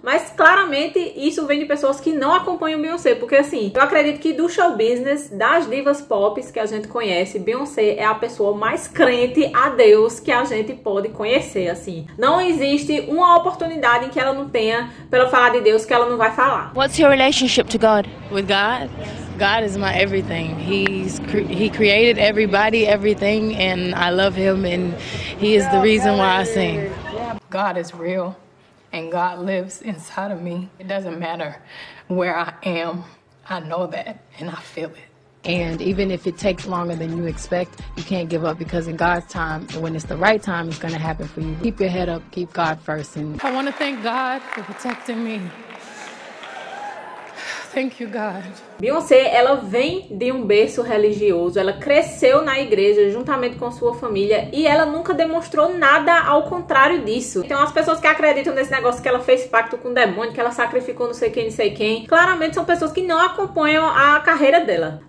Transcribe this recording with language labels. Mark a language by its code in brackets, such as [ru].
[pt] Mas claramente isso vem de pessoas que não acompanham Beyoncé, porque assim, eu acredito que do show business, das divas pop que a gente conhece, Beyoncé é a pessoa mais crente a Deus que a gente pode conhecer, assim. Não existe uma oportunidade em que ela não tenha pra falar de Deus que ela não vai falar. [en] What's your relationship to God? With God? God is my everything. He created everybody, everything, and I love him, and he is the reason why I sing. God is real, and God lives inside of me. It doesn't matter where I am, I know that, and I feel it. And even if it takes longer than you expect, you can't give up because in God's time, and when it's the right time, it's gonna happen for you. Keep your head up, keep God first. And I want to thank God for protecting me. Thank you, God. [pt] Beyoncé, ela vem de um berço religioso, ela cresceu na igreja juntamente com sua família e ela nunca demonstrou nada ao contrário disso. Então, as pessoas que acreditam nesse negócio que ela fez pacto com o demônio, que ela sacrificou não sei quem, não sei quem, claramente são pessoas que não acompanham a carreira dela.